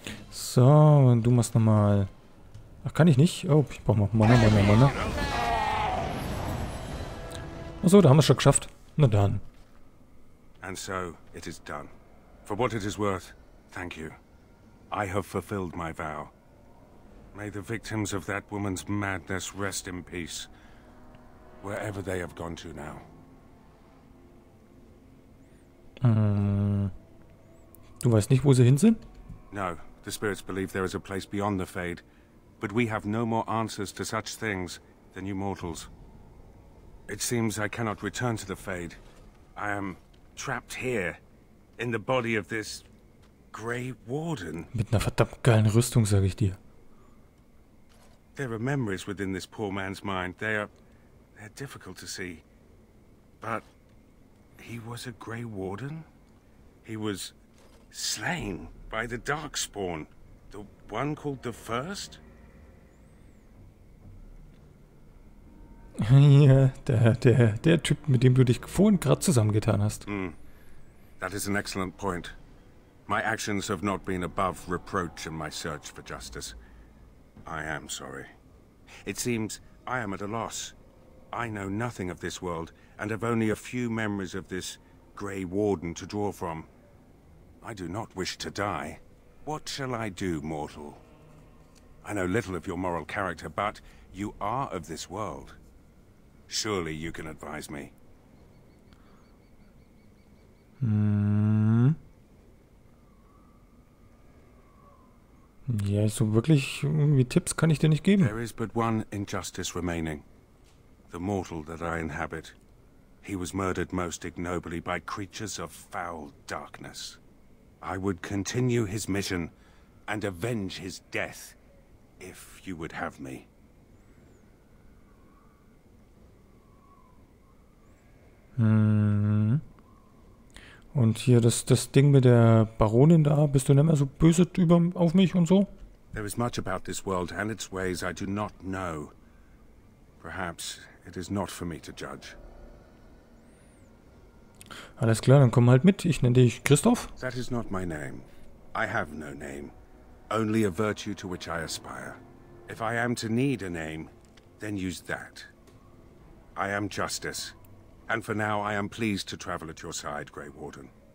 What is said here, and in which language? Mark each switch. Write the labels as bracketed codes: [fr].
[de] So, und du machst nochmal. Ach, kann ich nicht? Oh, ich brauche mal Mana. Achso, da haben wir schon geschafft. Na dann. [en] And so it is done. For what it is worth, thank you. I have fulfilled my vow. May the victims of that woman's madness rest in peace, wherever they have gone to now. [de] Du weißt nicht, wo sie hin sind? [en] No, the spirits believe there is a place beyond the Fade, but we have no more answers to such things than you mortals. It seems I cannot return to the Fade. I am trapped here, in the body of this Grey Warden. [de] Mit einer verdammt geilen Rüstung, sag ich dir. [en] There are memories within this poor man's mind. They're difficult to see. But he was a Grey Warden? He was slain by the Darkspawn. The one called the First? [de] Ja, der Typ, mit dem du dich vorhin gerade zusammengetan hast. Mm. [en] That is an excellent point. My actions have not been above reproach in my search for justice. I am sorry. It seems I am at a loss. I know nothing of this world, and have only a few memories of this Grey Warden to draw from. I do not wish to die. What shall I do, mortal? I know little of your moral character, but you are of this world. Surely you can advise me. [de] Ja, so wirklich irgendwie Tipps kann ich dir nicht geben. [en] There is but one injustice remaining. The mortal that I inhabit. He was murdered most ignobly by creatures of foul darkness. I would continue his mission and avenge his death, if you would have me. [de] Und hier das Ding mit der Baronin da, bist du nicht mehr so böse über auf mich und so? [en] There is much about this world and its ways I do not know. Perhaps it is not for me to judge. [de] Alles klar, dann komm halt mit. Ich nenne dich Christoph. [en] That is not my name. I have no name. Only a virtue to which I aspire. If I am to need a name, then use that. I am Justice. And for now, I am pleased to travel at your side, Grey Warden.